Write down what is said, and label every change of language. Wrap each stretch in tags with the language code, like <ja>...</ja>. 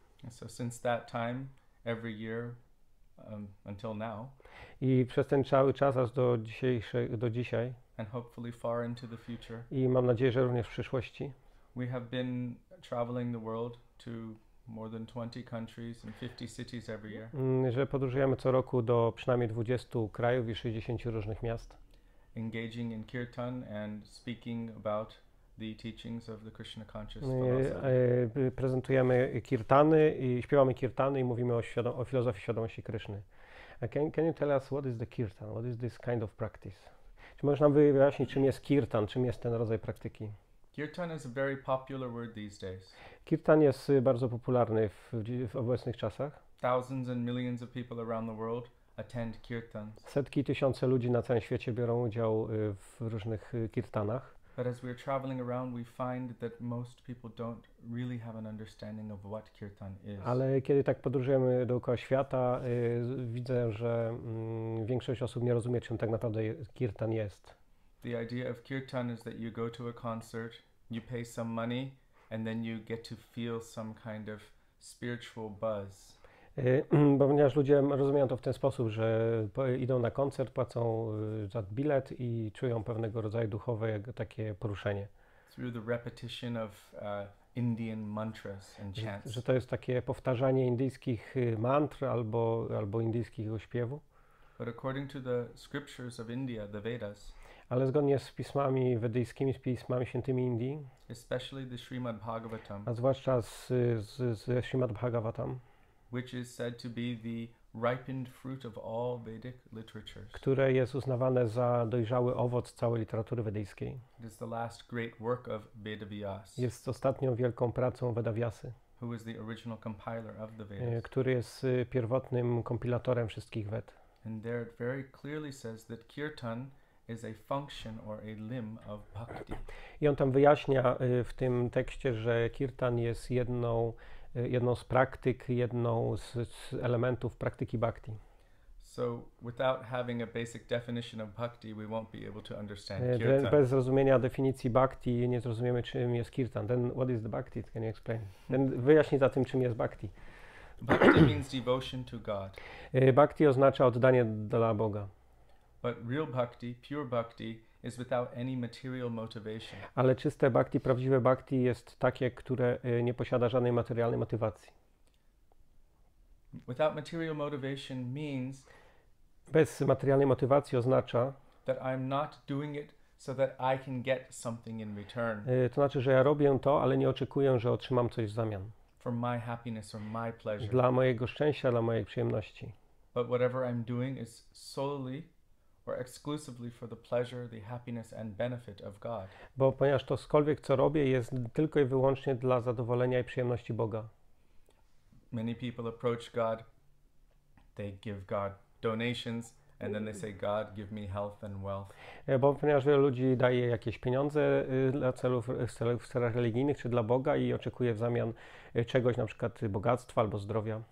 <en>So since that time, every year until now.</en> <pl>I przez ten cały czas, aż do dzisiaj,</pl> <en>and hopefully far into the future,</en> <pl>i mam nadzieję, że również w przyszłości,</pl> <en>We have been traveling the world to more than 20 countries and 50 cities every year.</en> <pl>Że podróżujemy co roku do przynajmniej 20 krajów i 60 różnych miast.</pl> <en>Engaging in kirtan and speaking about the teachings of the Krishna conscious philosophy.</en> <pl>Prezentujemy kirtany i śpiewamy kirtany i mówimy o filozofii świadomości Kryszny.</pl> <en>Can you tell us what is the kirtan? What is this kind of practice?</en> <pl>Czy możesz nam wyjaśnić, czym jest kirtan, czym jest ten rodzaj praktyki?</pl> <en>Kirtan is a very popular word these days.</en> <pl>Kirtan jest bardzo popularny w obecnych czasach.</pl> <en>Thousands and millions of people around the world attend kirtans.</en> <pl>Setki, tysiące ludzi na całym świecie biorą udział w różnych kirtanach.</pl> <en>But as we are traveling around, we find that most people don't really have an understanding of what kirtan is.</en> <pl>Ale kiedy tak podróżujemy dookoła świata, widzę, że większość osób nie rozumie, czym tak naprawdę kirtan jest.</pl> <en>The idea of kirtan is that you go to a concert, you pay some money, and then you get to feel some kind of spiritual buzz.</en> <pl>Bo ponieważ ludzie rozumieją to w ten sposób, że idą na koncert, płacą za bilet i czują pewnego rodzaju duchowe takie poruszenie.</pl> <en>Through the repetition of Indian mantras and</en> <pl>Że</pl> <en>chants.</en> <pl>to jest takie powtarzanie indyjskich mantr albo indyjskiego śpiewu.</pl> <en>But according to the scriptures of India, the Vedas,</en> <pl>Ale zgodnie z pismami wedyjskimi, z pismami świętymi Indii,</pl> <en>especially the Srimad Bhagavatam,</en> <pl>a zwłaszcza ze Srimad Bhagavatam,</pl> <en>which is said to be the ripened fruit of all Vedic literatures.</en> <pl>które jest uznawane za dojrzały owoc całej literatury wedyjskiej.</pl> <en>It is the last great work of Vedavyas,</en> <pl>Jest ostatnią wielką pracą Vedavyasy,</pl> <en>who is the original compiler of the Vedas.</en> <pl>który jest pierwotnym kompilatorem wszystkich Ved.</pl> <en>And there it very clearly says that kirtan is a function or a limb of bhakti.</en> <pl>I on tam wyjaśnia w tym tekście, że kirtan jest jedną z praktyk, jedną z elementów praktyki bhakti.</pl> <en>So without having a basic definition of bhakti, we won't be able to understand kirtan.</en> <pl>Bez zrozumienia definicji bhakti nie zrozumiemy, czym jest kirtan.</pl> <en>Then what is the bhakti? Can you explain?</en> <pl>Then wyjaśnij za tym, czym jest bhakti.</pl> <en>Bhakti means devotion to God.</en> <pl>Bhakti oznacza oddanie dla Boga.</pl> <en>But real bhakti, pure bhakti, is without any material motivation.</en> <pl>Ale czyste bhakti, prawdziwe bhakti jest takie, które nie posiada żadnej materialnej motywacji.</pl> <en>Without material motivation means</en> <pl>Bez materialnej motywacji oznacza,</pl> <en>that I'm not doing it so that I can get something in return</en> <pl>to znaczy, że ja robię to, ale nie oczekuję, że otrzymam coś w zamian.</pl> <en>for my happiness or my pleasure.</en> <pl>Dla mojego szczęścia, dla mojej przyjemności.</pl> <en>But whatever I'm doing is solely or exclusively for the pleasure, the happiness and benefit of God.</en> <pl>Bo ponieważ cokolwiek, co robię, jest tylko i wyłącznie dla zadowolenia i przyjemności Boga.</pl> <en>Many people approach God, they give God donations, and then they say, God, give me health and wealth.</en> <pl>Bo ponieważ wielu ludzi daje jakieś pieniądze dla celów religijnych czy dla Boga i oczekuje w zamian czegoś, na przykład bogactwa albo zdrowia.</pl>